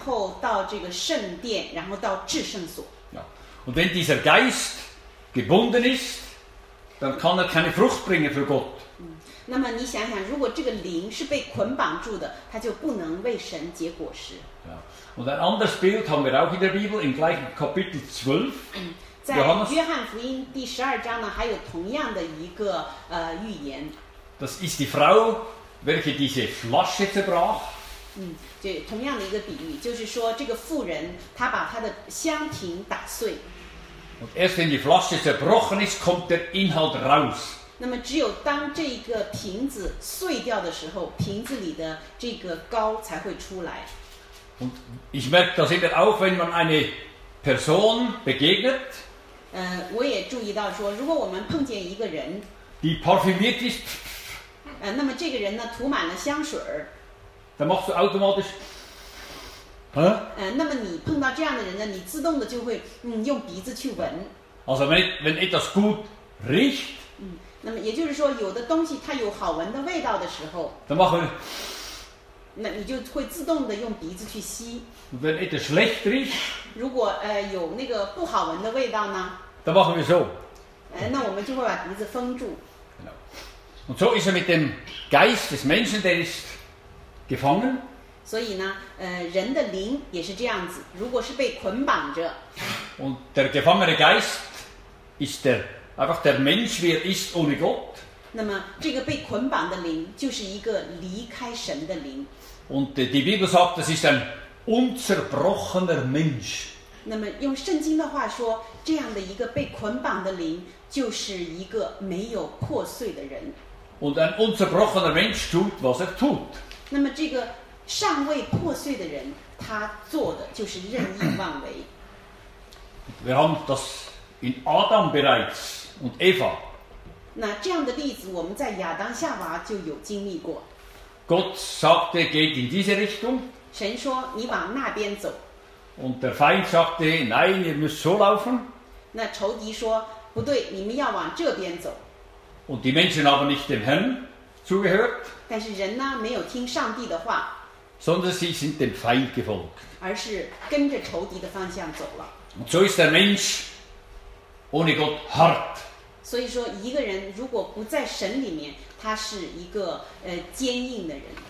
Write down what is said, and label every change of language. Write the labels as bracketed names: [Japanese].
[Chinese] 就是有这个前面的，就是前院，然后到这个圣殿，然后到至圣所。 [German] Und wenn dieser Geist gebunden ist, dann kann er keine Frucht bringen für Gott. [Chinese] 那么你想想，如果这个灵是被捆绑住的，它就不能为神结果实。 [German] Und ein anderes Bild haben wir auch in der Bibel, im gleichen Kapitel 12. [Chinese] 在约翰福音第十二章呢，还有同样的一个预言。 [German] Das ist die Frau, welche diese Flasche zerbrach. [Chinese] 对，同样的一个比喻，就是说这个妇人她把她的香瓶打碎。 [German] Und erst wenn die Flasche zerbrochen ist, kommt der Inhalt raus. [Chinese] 那么只有当这个瓶子碎掉的时候，瓶子里的这个膏才会出来。 [German] Und ich merke das immer auch, wenn man eine Person begegnet. [Chinese] 我也注意到说，如果我们碰见一个人 [German] ，die parfümiert ist. [Chinese] 那么这个人呢，涂满了香水。 [German] Dann machst du automatisch. [Chinese] 那么你碰到这样的人呢，你自动的就会用鼻子去闻。 [German] Also wenn etwas gut riecht. [Chinese] 那么也就是说，有的东西它有好闻的味道的时候。 [German] Dann machst du. [Chinese] 那你就会自动的用鼻子去吸。 [German] Wenn etwas schlecht riecht. [Chinese] 如果有那个不好闻的味道呢。 [German] Dann machst du so. [Chinese] 那我们就会把鼻子封住。 [German] Und so ist es mit dem Geist des Menschen, der ist gefangen. [Chinese] 所以呢，人的灵也是这样子。如果是被捆绑着。 [German] Und der gefangene Geist ist der einfach der Mensch, wie ist ohne Gott. [Chinese] 那么，这个被捆绑的灵就是一个离开神的灵。 [German] Und die Bibel sagt, das ist ein unzerbrochener Mensch. [Chinese] 那么，用圣经的话说，这样的一个被捆绑的灵。就是一个没有破碎的人。 [German] Und ein unzerbrochener Mensch tut, was tut. [Chinese] 那么这个尚未破碎的人，他做的就是任意妄为。 [German] Wir haben das in Adam bereits und Eva. [Chinese] 那这样的例子，我们在亚当夏娃就有经历过。 [German] Gott sagte, geht in diese Richtung. [Chinese] 神说，你往那边走。 [German] Und der Feind sagte, nein, ihr müsst so laufen. [Chinese] 那仇敌说。不对，你们要往这边走。 [German] Und die Menschen haben nicht dem Herrn zugehört. [Chinese] 但是人呢，没有听上帝的话。 [German] Sondern sie sind dem Feind gefolgt. [Chinese] 而是跟着仇敌的方向走了。 [German] So ist der Mensch ohne Gott hart. [Chinese] 所以说，一个人如果不在神里面，他是一个坚硬的人。